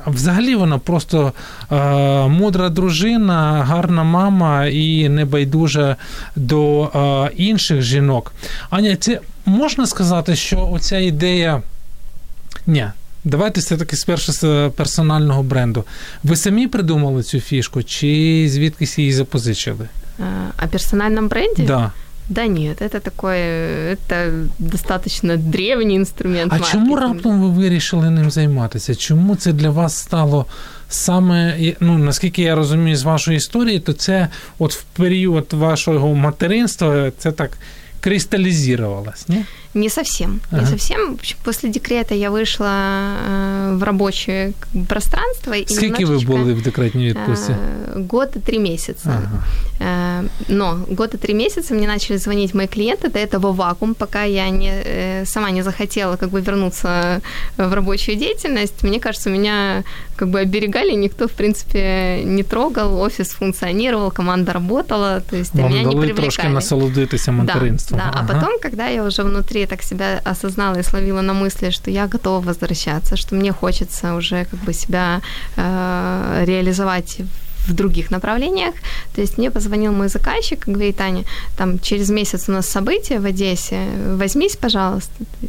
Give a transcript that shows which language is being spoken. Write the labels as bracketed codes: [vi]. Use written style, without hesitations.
[uk] Взагалі вона просто мудра дружина, гарна мама і небайдужа до інших жінок. Аня, це можна сказати, що оця ідея... Ні, Давайте все-таки спершу з персонального бренду. Ви самі придумали цю фішку, чи звідкись її запозичили? А персональному бренді? [ru] Да. Да нет, это такое, это достаточно древний инструмент. А маркетинга. [uk] Чому раптом ви вирішили ним займатися? Чому це для вас стало саме, ну, наскільки я розумію з вашої історії, то це от в період вашого материнства це так [ru] кристаллизировалось, [uk] не? [ru] Не совсем. Ага. Не совсем. В общем, после декрета я вышла в рабочее пространство. Сколько вы были в декретной отпуске? Год и три месяца. Ага. Но год и три месяца мне начали звонить мои клиенты. До этого вакуум, пока я не, сама не захотела как бы вернуться в рабочую деятельность. Мне кажется, меня как бы оберегали, никто, в принципе, не трогал. Офис функционировал, команда работала. То есть [uk] вам [ru] меня не привлекали. [uk] Вам дали трошки насолодитися материнством. [ru] Да, да. Ага. А потом, когда я уже внутри я так себя осознала и словила на мысли, что я готова возвращаться, что мне хочется уже как бы себя реализовать в других направлениях. То есть мне позвонил мой заказчик и говорит: Аня, там через месяц у нас событие в Одессе, возьмись, пожалуйста.